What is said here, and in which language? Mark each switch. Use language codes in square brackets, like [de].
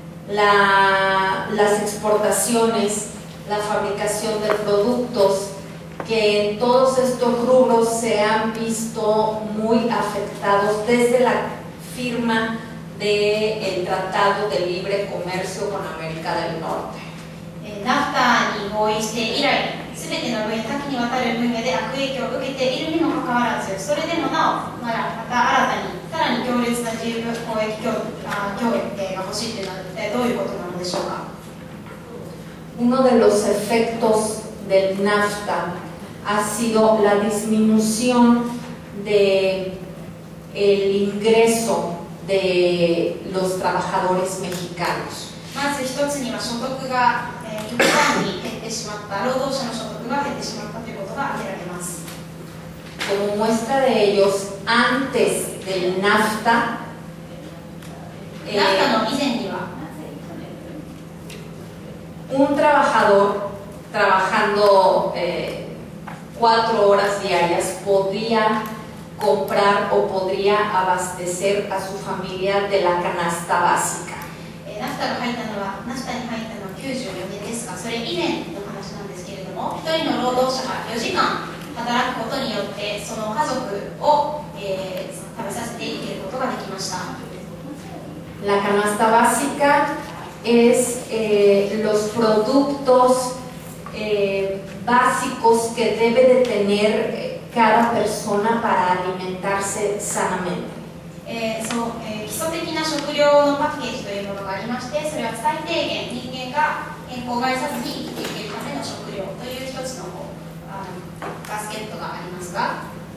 [es] las exportaciones, la fabricación de productos, que en todos estos rubros se han visto muy afectados desde la firma del Tratado de Libre Comercio con América del Norte. [ja] NAFTA に合意して以来、すべての分野、多岐にわたる分野で悪影響を受けているにもかかわらず、それでもなお、ならまた新たに、さらに強烈な自由貿易協定が欲しいというのは、どういうことなのでしょうか。 [es] Uno de los efectos del NAFTA ha sido la disminución del ingreso de los trabajadores mexicanos. [ja] まず一つには所得が極端に減ってしまった、労働者の所得が減ってしまったということが挙げられます。 [es] Como muestra de ellos, antes del NAFTA, [ja] NAFTA の以前には、 [es] un trabajador trabajando cuatro horas diarias podría comprar o podría abastecer a su familia de la canasta básica. [ja] NAFTA が入ったのは、NAFTA に入ったのは94年ですが、それ以前の話なんですけれども、一人の労働者が4時間働くことによって、その家族を食べさせていけることができました。 [es] La canasta básica es los productos básicos que debe de tener cada persona para alimentarse sanamente. [ja] 基礎的な食料のパッケージというものがありまして、それは最低限人間が健康を害さずに生きていけるための食料という一つのバスケットがありますが、